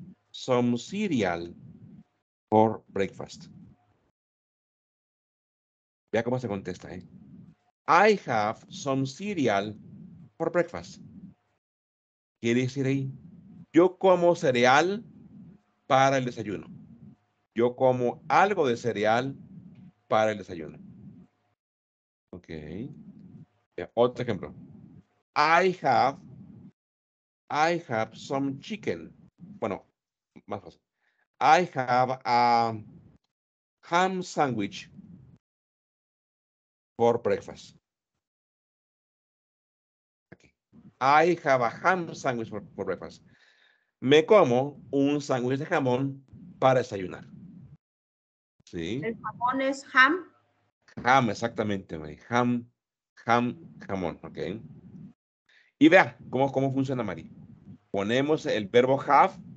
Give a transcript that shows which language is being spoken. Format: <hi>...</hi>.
<en>some cereal for breakfast.</en> <es>Vea cómo se contesta, ¿eh?</es> <en>I have some cereal for breakfast.</en> <es>¿Qué quiere decir ahí? Yo como cereal para el desayuno. Yo como algo de cereal para el desayuno. Ok. Otro ejemplo.</es> <en>I have some chicken.</en> <es>Bueno, más fácil.</es> <en>I have a ham sandwich for breakfast. Okay. I have a ham sandwich for breakfast.</en> <es>Me como un sándwich de jamón para desayunar. ¿Sí? ¿El jamón es ham? Ham, exactamente, Mari. Ham, jamón, ¿ok? Y vea cómo funciona, Mari. Ponemos el verbo have.</es>